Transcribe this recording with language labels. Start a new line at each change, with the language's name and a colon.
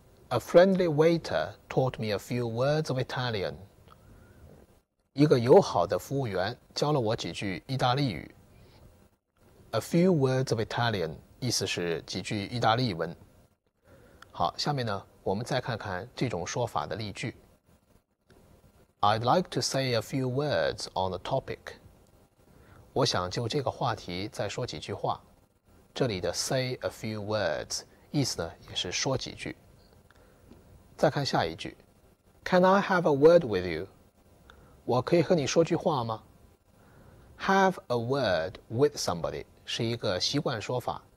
English: A friendly waiter taught me a few words of Italian。
Chinese: 一个友好的服务员教了我几句意大利语。 A few words of Italian意思是几句意大利文。好，下面呢，我们再看看这种说法的例句。
English: I'd like to say a few words on the topic.
Chinese: 我想就这个话题再说几句话。这里的 say a few words 意思呢，也是说几句。再看下一句。 Can I have a word with you? 我可以和你说句话吗？ Have a word with somebody 是一个习惯说法。